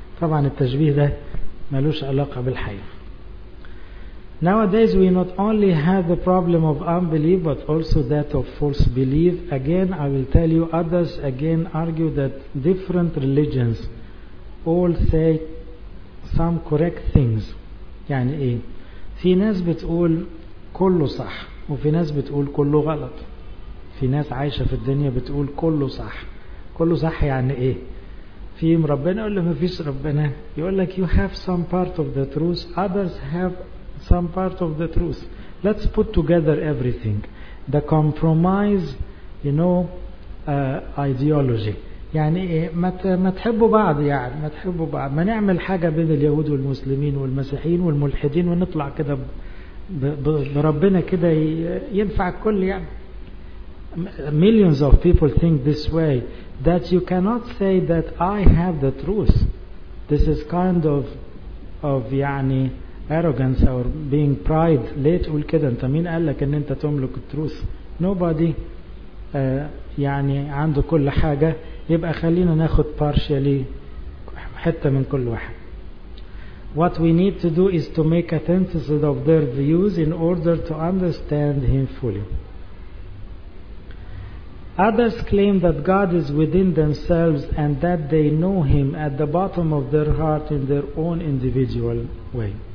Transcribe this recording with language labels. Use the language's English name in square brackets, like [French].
[Arabic] طبعا التشبيه ده ملوش علاقة بالحياة. [English] Nowadays we not only have the problem of unbelief but also that of false belief. Again, I will tell you, others again argue that different religions all say some correct things. [Arabic] يعني ايه؟ في ناس بتقول كله صح وفي ناس بتقول كله غلط. في ناس عايشة في الدنيا بتقول كله صح. كله صح يعني ايه؟ في ربنا ولا مفيش ربنا؟ يقول لك [English] you have some part of the truth, others have some part of the truth. Let's put together everything. The compromise, you know, ideology. [Arabic] يعني ما تحبوا بعض يعني, ما تحبوا بعض, ما نعمل حاجة بين اليهود والمسلمين والمسيحيين والملحدين ونطلع كده بربنا كده ينفع كل يعني. [English] Millions of people think this way, that you cannot say that I have the truth. This is kind of [Arabic] يعني [English] arrogance or being pride. [Arabic] ليه تقول كده؟ انت مين قال لك ان انت تملك التروث؟ Nobody يعني عنده كل حاجة, يبقى خلينا ناخد partially حتة من كل واحد. [English] What we need to do is to make a synthesis of their views in order to understand him fully. Others claim that God is within themselves and that they know Him at the bottom of their heart in their own individual way.